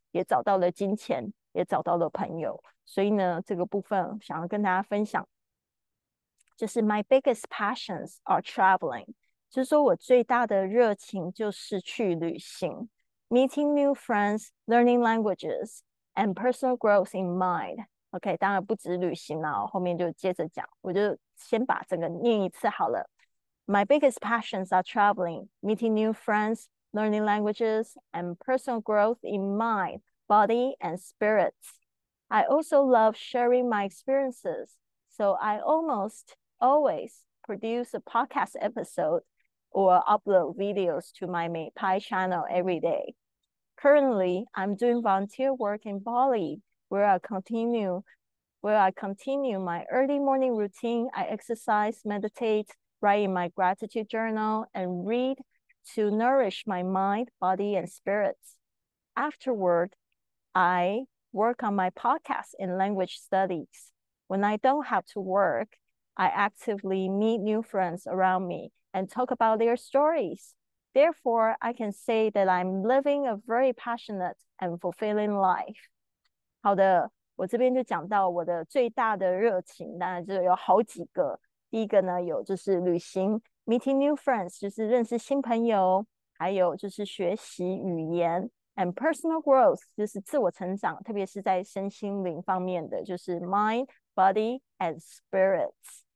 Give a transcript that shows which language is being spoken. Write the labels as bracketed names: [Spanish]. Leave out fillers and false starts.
[Chinese] 也找到了金钱，也找到了朋友，所以呢，这个部分想要跟大家分享，就是 [English] my biggest passions are traveling， [Chinese] 就是说我最大的热情就是去旅行， [English] meeting new friends, learning languages, and personal growth in mind。 [Chinese] OK，当然不止旅行啦，后面就接着讲，我就先把整个念一次好了。 [English] My biggest passions are traveling, meeting new friends。 Learning languages and personal growth in mind, body, and spirit. I also love sharing my experiences, so I almost always produce a podcast episode or upload videos to my Meipai channel every day. Currently, I'm doing volunteer work in Bali, where I continue my early morning routine. I exercise, meditate, write in my gratitude journal, and read. To nourish my mind, body, and spirits. Afterward, I work on my podcast and language studies. When I don't have to work, I actively meet new friends around me and talk about their stories. Therefore, I can say that I'm living a very passionate and fulfilling life. [Chinese] 好的，我这边就讲到我的最大的热情，当然就有好几个。第一个呢，有就是旅行。 [English] Meeting new friends [Chinese] 就是认识新朋友，还有就是学习语言， [English] and personal growth [Chinese] 就是自我成长，特别是在身心灵方面的，就是 [English] mind、body and spirits。